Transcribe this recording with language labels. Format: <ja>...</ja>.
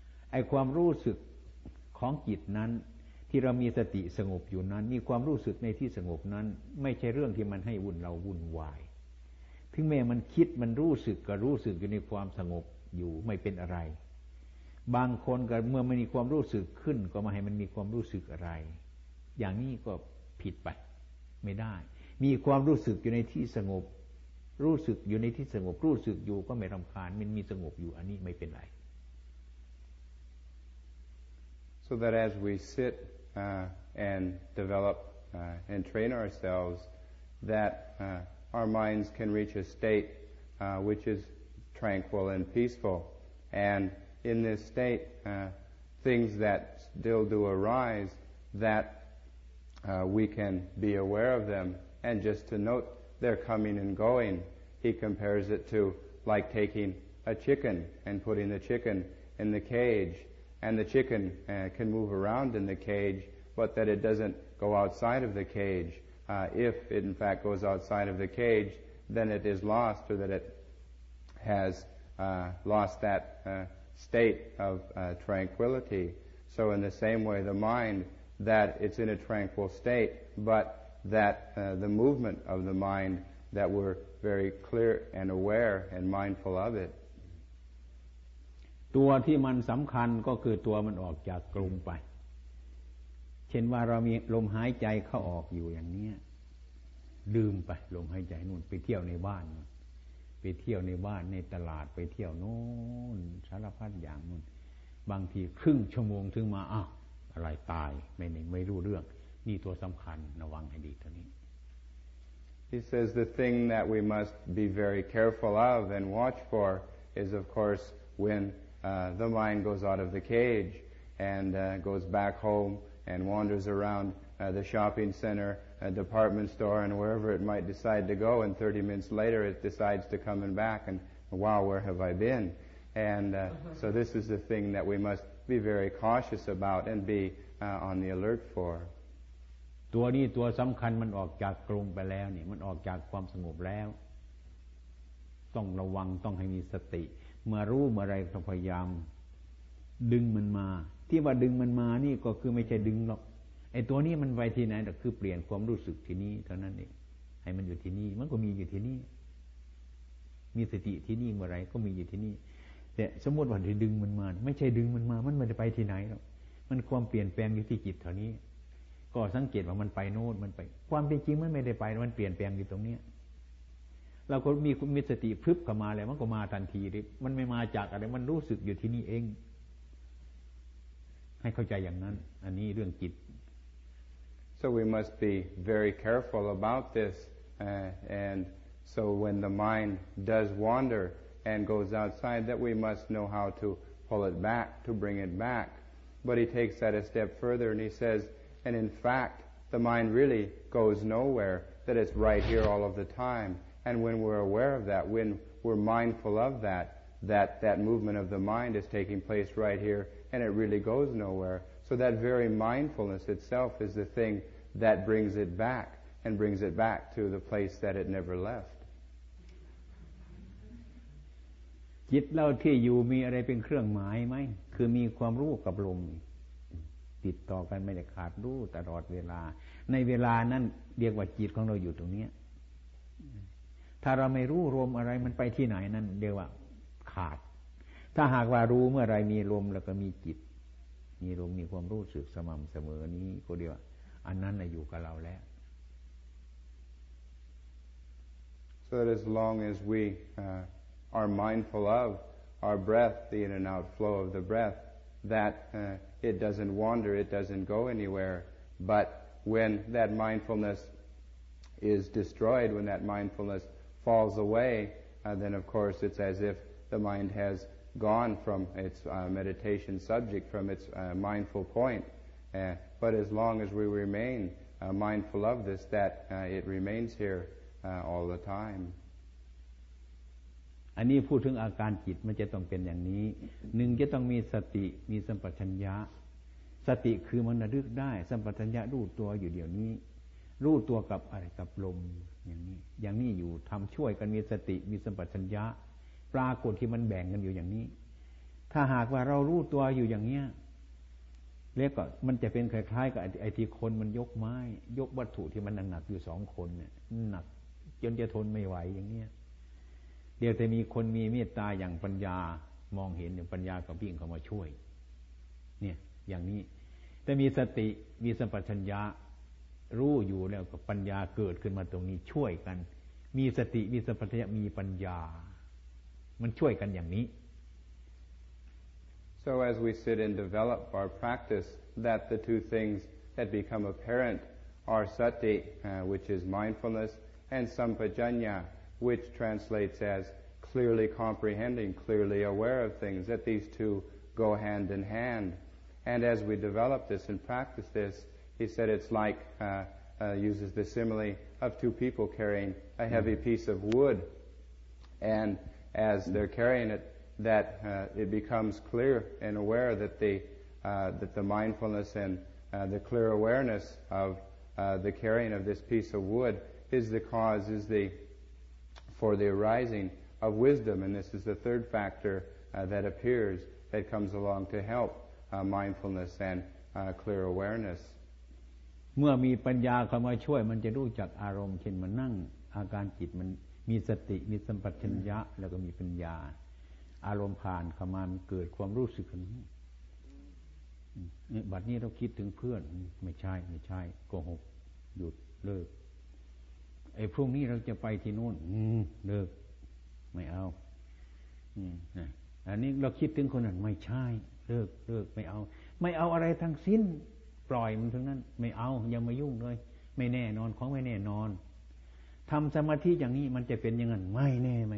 <th>ไอ้ความรู้สึกของจิตนั้นที่เรามีสติสงบอยู่นั้นมีความรู้สึกในที่สงบนั้นไม่ใช่เรื่องที่มันให้วุ่นเราวุ่นวายถึงแม้มันคิดมันรู้สึกก็รู้สึกอยู่ในความสงบอยู่ไม่เป็นอะไรบางคนก็เมื่อไม่มีความรู้สึกขึ้นก็มาให้มันมีความรู้สึกอะไรอย่างนี้ก็ผิดไปไม่ได้มีความรู้สึกอยู่ในที่สงบรู้สึกอยู่ในที่สงบรู้สึกอยู่ก็ไม่รำคาญมันมีสงบอยู่อันนี้ไม่เป็นไร</th> <en>So that as we sit and develop and train ourselves that our minds can reach a state which is tranquil and peaceful and in this state things that still do arise thatWe can be aware of them and just to note their coming and going. He compares it to like taking a chicken and putting the chicken in the cage. And the chicken can move around in the cage, but that it doesn't go outside of the cage. If it in fact goes outside of the cage, then it is lost or that it has lost that state of tranquility. So in the same way, the mindthat it's in a tranquil state, but that the movement of the mind, that we're very clear and aware and mindful of it.</en> <th>ตัวที่มันสำคัญก็คือตัวมันออกจากกรงไปเช ช่นว่าเรามีลมหายใจเข้าออกอยู่อย่างนี้ลืมไปลมหายใจนู่นไปเที่ยวในบ้านไปเที่ยวในบ้านในตลาดไปเที่ยวโน่นสารพัดอย่างนู่นบางทีครึ่งชั่วโมงถึงมาอ้าวอะไรตายไม่รู้เรื่องนี่ตัวสำคัญระวังให้ดีตัวนี้</th> <en>He says the thing that we must be very careful of and watch for is, of course, when the mind goes out of the cage and goes back home and wanders around the shopping center, a department store, and wherever it might decide to go. And 30 minutes later, it decides to come and back. And wow, where have I been? And so this is the thing that we must be very cautious about and be on the alert for.</en> <th>ตัวนี้ตัวสำคัญมันออกจากกรงไปแล้วนี่มันออกจากความสงบแล้วต้องระวังต้องให้มีสติเมื่อรู้เมื่อไรต้องพยายามดึงมันมาที่ว่าดึงมันมานี่ก็คือไม่ใช่ดึงหรอกไอ้ตัวนี้มันไปที่ไหนก็คือเปลี่ยนความรู้สึกที่นี่เท่านั้นเองให้มันอยู่ที่นี่มันก็มีอยู่ที่นี่ มีสติที่นี่เมื่อไรก็มีอยู่ที่นี่แต่สมมติว่าที่ดึงมันมาไม่ใช่ดึงมันมามันไม่ได้ไปที่ไหนหรอกมันความเปลี่ยนแปลงอยู่ที่จิตเท่านี้ก็สังเกตว่ามันไปโน่นมันไปความเป็นจริงมันไม่ได้ไปมันเปลี่ยนแปลงอยู่ตรงนี้เราก็มีสติพึบเข้ามาแล้วมันก็มาทันทีดิมันไม่มาจากอะไรมันรู้สึกอยู่ที่นี่เองให้เข้าใจอย่างนั้นอันนี้เรื่องจิต</th> <en>So we must be very careful about this and so when the mind does wander and goes outside that we must know how to pull it back to bring it back but he takes that a step further and he saysAnd in fact, the mind really goes nowhere, that it's right here all of the time. And when we're aware of that, when we're mindful of that, that movement of the mind is taking place right here, and it really goes nowhere. So that very mindfulness itself is the thing that brings it back, and brings it back to the place that it never left.</en> <th>จิตเราที่อยู่มีอะไรเป็นเครื่องหมายไหมคือมีความรู้กับลมติดต่อกันไม่ได้ขาดรู้ตลอดเวลาในเวลานั้นเรียกว่าจิตของเราอยู่ตรงนี้ถ้าเราไม่รู้รวมอะไรมันไปที่ไหนนั่นเรียกว่าขาดถ้าหากว่ารู้เมื่อไรมีรวมแล้วก็มีจิตมีรวมมีความรู้สึกสม่ำเสมอนี้ก็เรียกว่าอันนั้นน่ะอยู่กับเราแล้ว</th> <en>So that as long as we are mindful of our breath the in and out flow of the breaththat it doesn't wander, it doesn't go anywhere. But when that mindfulness is destroyed, when that mindfulness falls away, then of course it's as if the mind has gone from its meditation subject, from its mindful point. But as long as we remain mindful of this, that it remains here all the time.</en> <th>อันนี้พูดถึงอาการจิตมันจะต้องเป็นอย่างนี้หนึ่งจะต้องมีสติมีสัมปชัญญะสติคือมันระลึกได้สัมปชัญญะรู้ตัวอยู่เดี๋ยวนี้รู้ตัวกับอะไรกับลมอย่างนี้อยู่ทำช่วยกันมีสติมีสัมปชัญญะปรากฏที่มันแบ่งกันอยู่อย่างนี้ถ้าหากว่าเรารู้ตัวอยู่อย่างนี้ เรียกก่อนมันจะเป็นคล้ายๆกับไอ้ที่คนมันยกไม้ยกวัตถุที่มันหนักๆอยู่สองคนเนี่ยหนักจนจะทนไม่ไหวอย่างนี้เดี๋ยวจะมีคนมีเมตตาอย่างปัญญามองเห็นอย่างปัญญาก็วิ่งเข้ามาช่วยเนี่ยอย่างนี้แต่มีสติมีสัมปชัญญะรู้อยู่แล้วกับปัญญาเกิดขึ้นมาตรงนี้ช่วยกันมีสติมีสัมปชัญญะมีปัญญามันช่วยกันอย่างนี้</th> <en>So as we sit and develop our practice that the two things that become apparent are sati which is mindfulness and sampajanya which translates as clearly comprehending, clearly aware of things, that these two go hand in hand. And as we develop this and practice this, he said it's like, uses the simile of two people carrying a heavy piece of wood. And as they're carrying it, that it becomes clear and aware that the mindfulness and the clear awareness of the carrying of this piece of wood is the cause, is the... for the arising of wisdom and this is the third factor that appears that comes along to help mindfulness and clear awareness</en> <th>เมื่อมีปัญญาเข้ามาช่วยมันจะรู้จักอารมณ์เช่นมันนั่งอาการจิตมันมีสติมีสัมปชัญญะแล้วก็มีปัญญาอารมณ์ผ่านเข้ามามันเกิดความรู้สึกขึ้น บัดนี้เราคิดถึงเพื่อนไม่ใช่โกหกหยุดเลิกไอ้พรุ่งนี้เราจะไปที่นู่นเลิกไม่เอาอันนี้เราคิดถึงคนนั้นไม่ใช่เลิกไม่เอาอะไรทั้งสิ้นปล่อยมันทั้งนั้นไม่เอายังมายุ่งเลยไม่แน่นอนของไม่แน่นอนทำสมาธิอย่างนี้มันจะเป็นยังไงไม่แน่</th>